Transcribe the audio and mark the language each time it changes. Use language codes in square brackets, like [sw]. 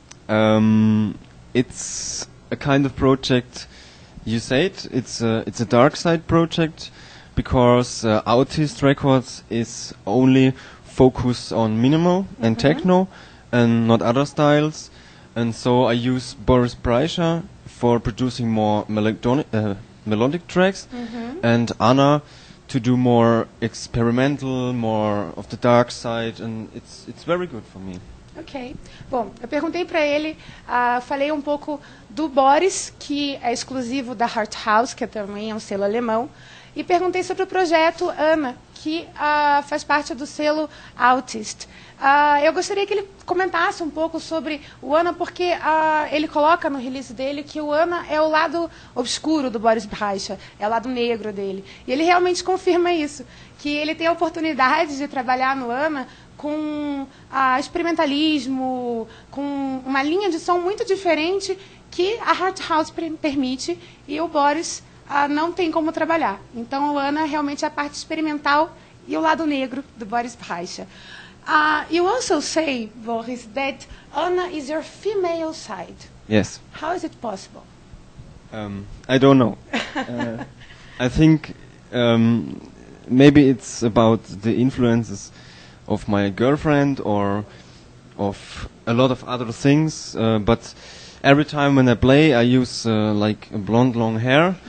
[en] It's a kind of project, you said, it's a dark side project because Autist Records is only focused on minimal and techno and not other styles. And so I use Boris Brejcha for producing more melodic tracks. And Anna, to do more experimental, more of the dark side, and it's very good for me. Ok. [pt] Bom, eu perguntei para ele, falei um pouco do Boris, que é exclusivo da Heart House, que é também um selo alemão, e perguntei sobre o projeto Ana, que faz parte do selo Autist. Eu gostaria que ele comentasse um pouco sobre o Ana, porque ele coloca no release dele que o Ana é o lado obscuro do Boris Braixa, é o lado negro dele. E ele realmente confirma isso, que ele tem a oportunidade de trabalhar no Ana com experimentalismo, com uma linha de som muito diferente que a Heart House permite e o Boris não tem como trabalhar. Então, o Ana realmente é a parte experimental e o lado negro do Boris Braixa. [en] You also say, Boris, that Ana is your female side. Yes. How is it possible? I don't know. I think maybe it's about the influences of my girlfriend or of a lot of other things, but every time when I play, I use like a blonde long hair.